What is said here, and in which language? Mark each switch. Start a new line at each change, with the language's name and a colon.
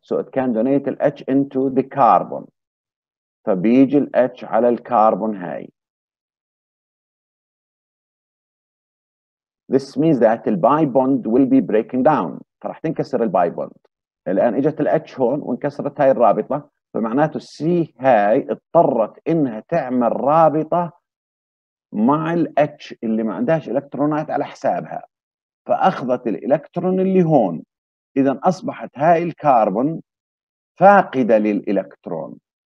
English: So it can donate the H into the carbon.
Arabic: فبيجي ال H على الكربون هاي.
English: This means that the bi bond will be breaking down.
Arabic: فراح تنكسر البي بوند. الآن اجت ال H هون وانكسرت هاي الرابطة. فمعناته C هاي اضطرت انها تعمل رابطة مع ال H اللي ما عندهاش الكترونات على حسابها. فاخذت الالكترون اللي هون. اذا اصبحت هاي الكربون فاقده للالكترون.